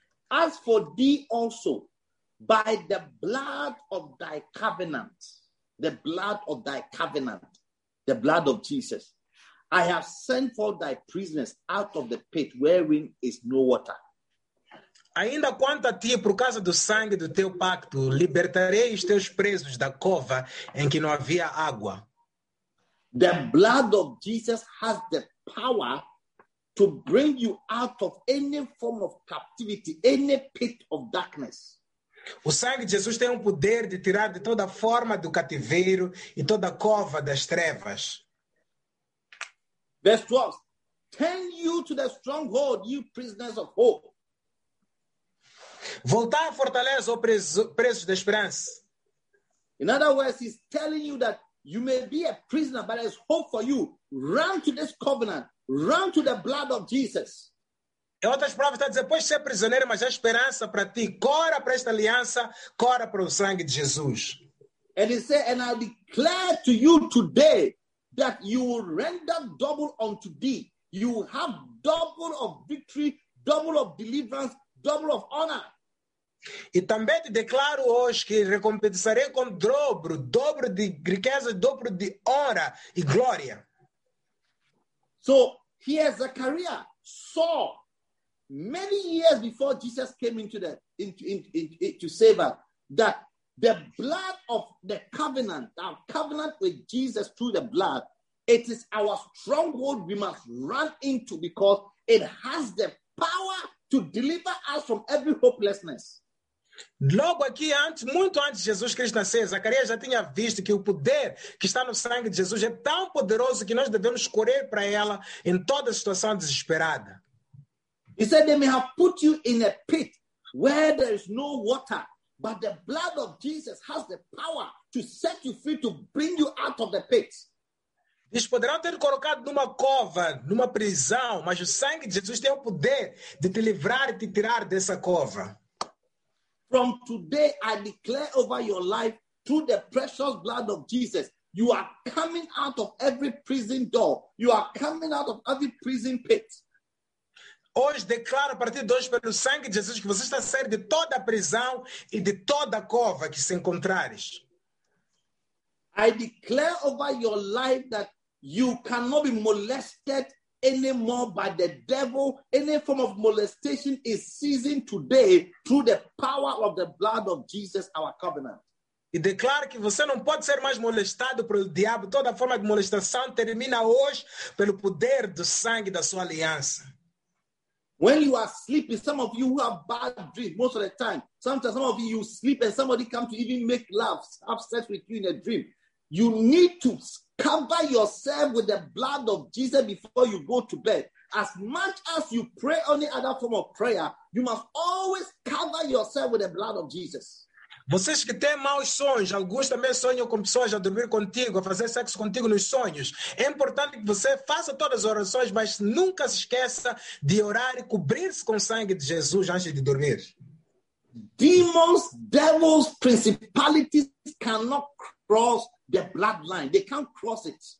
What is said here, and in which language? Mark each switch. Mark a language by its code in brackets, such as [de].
[en] As for thee also, by the blood of thy covenant, the blood of thy covenant, the blood of Jesus, I have sent for thy prisoners out of the pit wherein is no water. [pt] Ainda quanto a ti, por causa do sangue do teu pacto, libertarei os teus presos da cova em que não havia água. [en] The blood of Jesus has the power to bring you out of any form of captivity, any pit of darkness. [pt] O sangue de Jesus tem o poder de tirar de toda forma do cativeiro e toda a cova das trevas. [en] Verse 12. Turn you to the stronghold, you prisoners of hope. [pt] Voltar à fortaleza, ou presos da esperança. [en] In other words, he's telling you that you may be a prisoner, but there's hope for you. Run to this covenant. Run to the blood of Jesus. [pt] Em outras palavras, está a dizer, pois ser prisioneiro, mas há esperança para ti. Cora para esta aliança, cora para o sangue de Jesus. [en] And he said, and I declare to you today that you will render double unto thee. You will have double of victory, double of deliverance, double of honor. [pt] E também te declaro hoje que recompensarei com dobro, dobro de riqueza, dobro de honra e glória. [en] So, here Zechariah saw many years before Jesus came into the to save us that the blood of the covenant, our covenant with Jesus through the blood, it is our stronghold we must run into because it has the power to deliver us from every hopelessness. [pt] Logo aqui, antes, muito antes de Jesus Cristo nascer, Zacarias já tinha visto que o poder que está no sangue de Jesus é tão poderoso que nós devemos correr para ela em toda situação desesperada. [en] He said, they may have put you in a pit where there is no water, but the blood of Jesus has the power to set you free, to bring you out of the pit. [pt] Eles poderão ter colocado numa cova, numa prisão, mas o sangue de Jesus tem o poder de te livrar e te tirar dessa cova. [en] From today, I declare over your life, through the precious blood of Jesus, you are coming out of every prison door. You are coming out of every prison pit. [pt] Hoje declaro a partir de hoje pelo sangue de Jesus que você está saindo de toda a prisão e de toda a cova que se encontrares. [en] I declare over your life that you cannot be molested anymore by the devil. Any form of molestation is ceasing today through the power of the blood of Jesus, our covenant. [pt] E declaro que você não pode ser mais molestado pelo diabo. Toda forma de molestação termina hoje pelo poder do sangue da sua aliança. [en] When you are sleeping, some of you who have bad dreams most of the time, sometimes some of you sleep and somebody comes to even make love, have sex with you in a dream. You need to cover yourself with the blood of Jesus before you go to bed. As much as you pray any other form of prayer, you must always cover yourself with the blood of Jesus. [pt] Vocês que têm maus sonhos, alguns também sonham com pessoas a dormir contigo, a fazer sexo contigo nos sonhos. É importante que você faça todas as orações, mas nunca se esqueça de orar e cobrir-se com o sangue de Jesus antes de dormir. [en] Demons, devils, principalities cannot cross the bloodline. They can't cross it.